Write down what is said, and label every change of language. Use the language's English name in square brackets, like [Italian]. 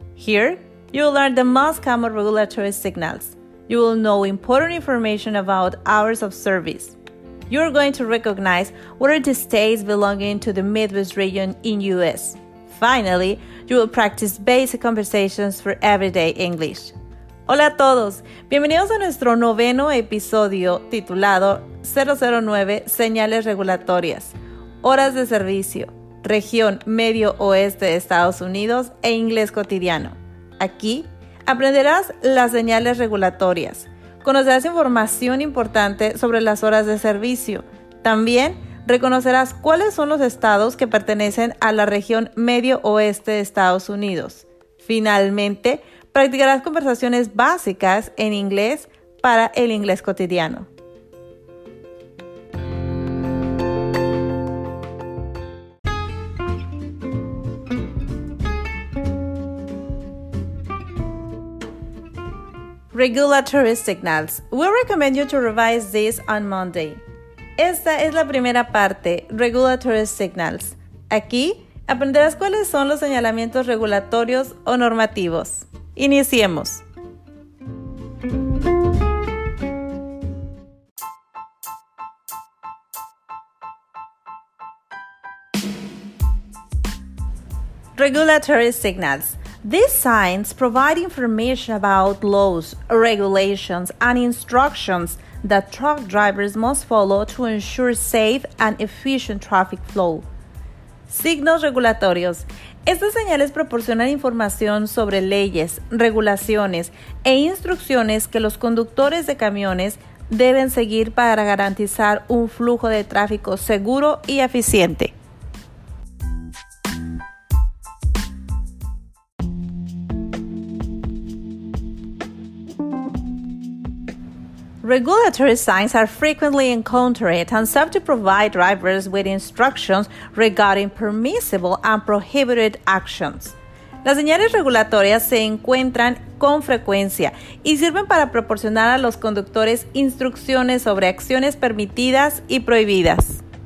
[English] Here, you will learn the most common regulatory signals. You will know important information about hours of service. You are going to recognize what are the states belonging to the Midwest region in US. Finally, you will practice basic conversations for everyday English. [Spanish] Hola a todos, bienvenidos a nuestro noveno episodio titulado 009 Señales Regulatorias, Horas de Servicio, Región Medio Oeste de Estados Unidos e Inglés Cotidiano. Aquí aprenderás las señales regulatorias, conocerás información importante sobre las horas de servicio, también reconocerás cuáles son los estados que pertenecen a la región Medio Oeste de Estados Unidos. Finalmente, practicarás conversaciones básicas en inglés para el inglés cotidiano. [English] Regulatory Signals. We recommend you to revise this on Monday. [Spanish] Esta es la primera parte, [English] Regulatory Signals. [Spanish] Aquí aprenderás cuáles son los señalamientos regulatorios o normativos. Iniciemos. [English] Regulatory signals. These signs provide information about laws, regulations, and instructions that truck drivers must follow to ensure safe and efficient traffic flow. [Spanish] Signos regulatorios. Estas señales proporcionan información sobre leyes, regulaciones e instrucciones que los conductores de camiones deben seguir para garantizar un flujo de tráfico seguro y eficiente. [English] Regulatory signs are frequently encountered and serve to provide drivers with instructions regarding permissible and prohibited actions. [Spanish] Las señales regulatorias se encuentran con frecuencia y sirven para proporcionar a los conductores instrucciones sobre acciones permitidas y prohibidas.